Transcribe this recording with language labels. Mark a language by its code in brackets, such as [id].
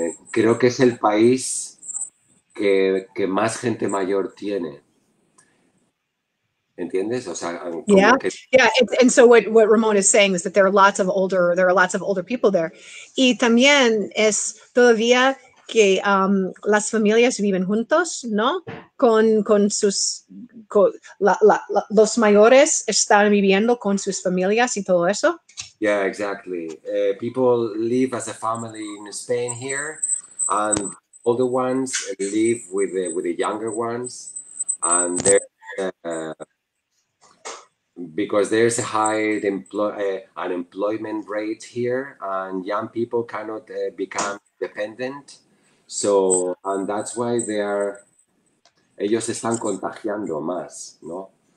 [es] Creo que es el país que más gente mayor tiene. ¿Entiendes? O sea, [en] And so what Ramón is saying is that there are lots of older people there. [es] Y también es todavía que las familias viven juntos, ¿no? Los mayores están viviendo con sus familias y todo eso. [en] Yeah, exactly. People live as a family in Spain here, and older ones live with the younger ones, and because there's a high unemployment rate here, and young people cannot become dependent, so and that's why [es] ellos están contagiando más, ¿no?